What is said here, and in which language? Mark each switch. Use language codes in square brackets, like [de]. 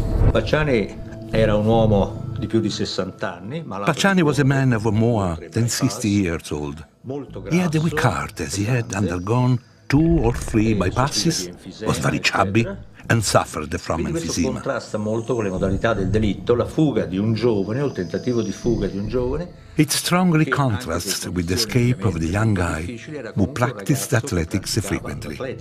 [it] Pacciani era un uomo di più di 60 anni. [en] Pacciani was a man of more than 60 years old. He had a weak heart as he had undergone 2 or 3 bypasses, was very chubby, and suffered from emphysema. [it] Questo contrasta molto con le modalità del delitto, la fuga di un giovane o il tentativo di fuga di un giovane. [en] It strongly contrasts with the escape of the young guy who practiced athletics frequently.